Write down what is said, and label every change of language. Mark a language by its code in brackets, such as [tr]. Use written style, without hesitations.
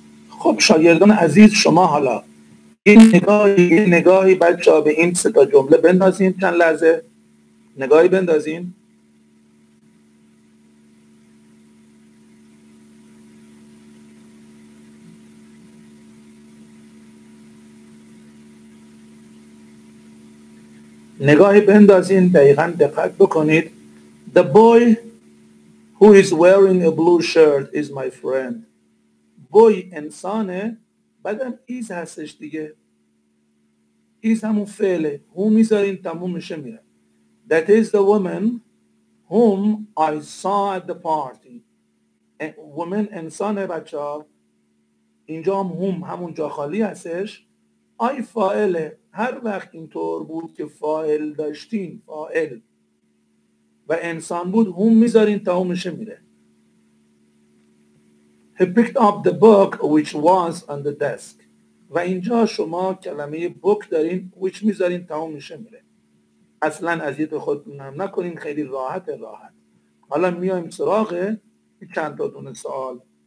[fa] خب شاگردان عزیز شما حالا یه نگاهی بچه‌ها به این سه تا جمله بندازین، چند لحظه نگاهی بندازین. نگاهی بندازین دقیقاً دقت بکنید. [en] The boy who is wearing a blue shirt is my friend. [fa] Boy انسانه، بعدم is هستش دیگه. Is همون فعله. Who میذارین تموم میشه میره. [en] That is the woman whom I saw at the party. [fa] Woman انسانه بچه ها. اینجا هم whom همون جا خالی هستش. I فاعله. هر وقت اینطور بود که فاعل داشتین، فاعل و انسان بود، هم میذارین تا همشه میره. [en] He picked up the book which was on the desk. [fa] و اینجا شما کلمه book دارین، which میذارین تا همشه میره. اصلا اذیت خودتون هم نکنین، خیلی راحت راحت. حالا میایم سراغ چند تا دونه سوال.